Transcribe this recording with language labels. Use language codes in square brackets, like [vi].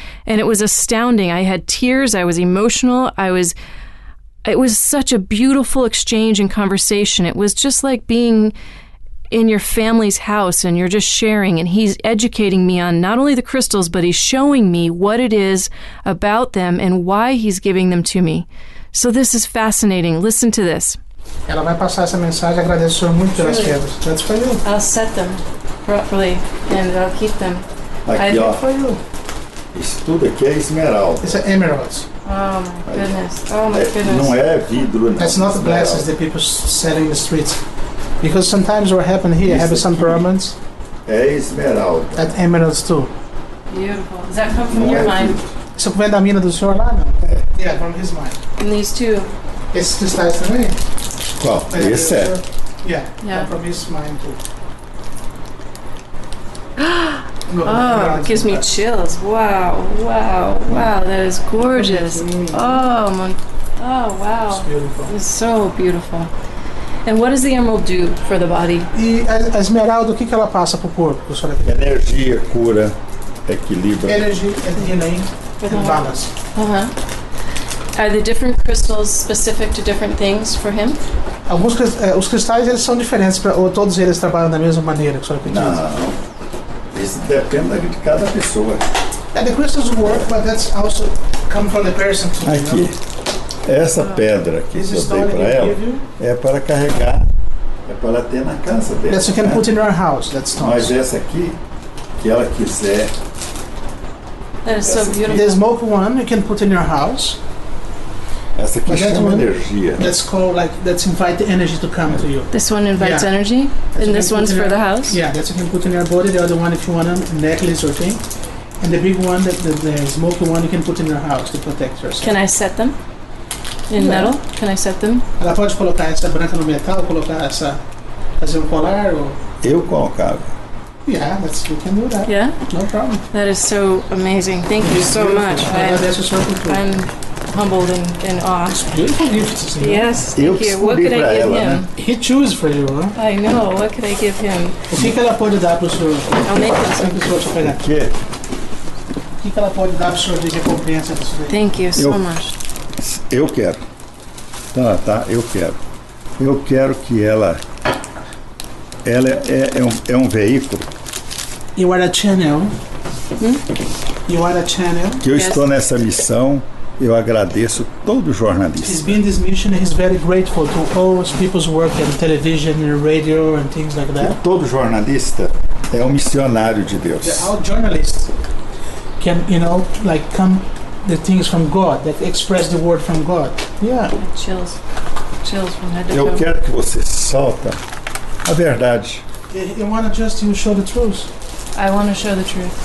[en] And it was astounding. I had tears. I was emotional. It was such a beautiful exchange and conversation. It was just like being in your family's house and you're just sharing, and he's educating me on not only the crystals, but he's showing me what it is about them and why he's giving them to me. So this is fascinating. Listen to this. [pt] Ela vai passar essa mensagem, agradeço muito pelas pedras. [en] That's for you. I'll set them properly and I'll keep them. [pt] Aqui, ó. Isso tudo aqui é esmeralda. [en] It's emeralds. Oh my goodness. [pt] Não é vidro, né? [en] That's not the glasses that people sell in the streets. Because sometimes what happened here, have some problems. [pt] É esmeralda. [en] That emeralds too. Beautiful. Does that come from your mind? [pt] Isso vem da mina do senhor lá, não? [en] Yeah, from his mind. And these two? [pt] Esse que está aqui também? Qual? Esse é? [en] Yeah, from his mind too. Oh, it gives me chills. Wow, that is gorgeous. Oh, wow. It's beautiful. It's so beautiful. And what does the emerald do for the body? [pt] E a esmeralda, o que ela passa pro corpo? Energia, cura, equilíbrio. [en] Energy, balance. Uh-huh. Are the different crystals specific to different things for him? [pt] Alguns os cristais eles são diferentes para, ou todos eles trabalham da mesma maneira, que o senhor pediu? Não. Isso depende de cada pessoa. [en] Yeah, the crystals work, but that's also come from the person. Too, [pt] aqui. [en] You know? [pt] Essa pedra que eu dei para ela é para carregar, é para ter na casa dela. [en] That's you can put in our house, that stone. [pt] Mas essa aqui, que ela quiser. [en] That is so beautiful. The smoke one you can put in your house. [pt] Essa aqui chama [en] that one, [pt] energia. [en] That's called like that's invite the energy to come to you. This one invites energy, that's and this one's for your, the house. Yeah, that you can put in your body. The other one, if you want a necklace or thing, and the big one, the smoky one, you can put in your house to protect yourself. Can I set them in metal? Can I set them? [pt] Ela pode colocar essa branca no metal, colocar essa, fazer colar ou? Eu colocava. [en] Yeah, that's, you can do that. Yeah? No problem. That is so amazing. Thank you so much. I'm humbled and awed. It's beautiful gift to see. Yes, thank you. What could I give him? He chose for you, huh? I know. What could I give him? [pt] O que ela pode dar para o senhor? [en] I'll make it. Thank you so much for that. [pt] O que ela pode dar para o senhor de recompensa? [en] Thank you so much. [pt] Eu quero. Tá, eu quero. Eu quero que ela... Ela é um veículo. [en] You are a channel. You are a channel. [pt] Que eu estou nessa missão, eu agradeço todo jornalista. [en] He's been this mission, he's very grateful to all people's work in television and radio and things like that. [pt] E todo jornalista é um missionário de Deus. [en] All journalists can, you know, like come the things from God, that express the word from God. Yeah. Chills from head to toe. [pt] Eu quero que você solta a verdade. [en] You want to just you show the truth. I want to show the truth.